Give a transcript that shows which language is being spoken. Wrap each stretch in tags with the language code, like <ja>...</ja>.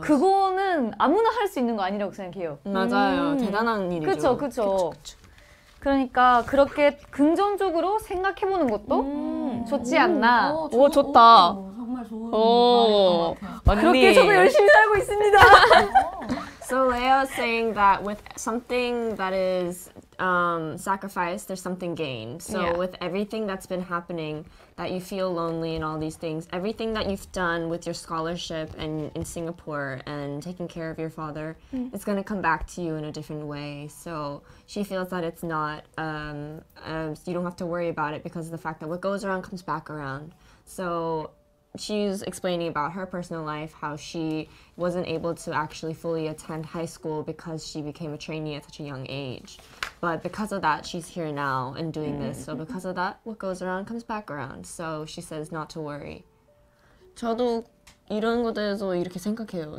<ko>그거는 아무나 할 수 있는 거 아니라고 생각해요. 맞아요. 대단한 일이죠. 그렇죠, 그렇죠. 그러니까 그렇게 긍정적으로 생각해보는 것도 좋지 않나. 오, 좋다. 정말 좋은 말인 것 같아요. 그렇게 저도 열심히 살고 있습니다.</ko> <en>So Leo is saying that with something that is sacrificed, there's something gained. So yeah. with everything that's been happening, that you feel lonely and all these things, everything that you've done with your scholarship and in Singapore and taking care of your father, it's going to come back to you in a different way. So she feels that it's not, you don't have to worry about it because of the fact that what goes around comes back around. So she's explaining about her personal life, how she wasn't able to actually fully attend high school because she became a trainee at such a young age. But because of that, she's here now and doing this. So because of that, what goes around comes back around. So she says not to worry.</en> <ko>저도 이런 거에 대해서 이렇게 생각해요.</ko>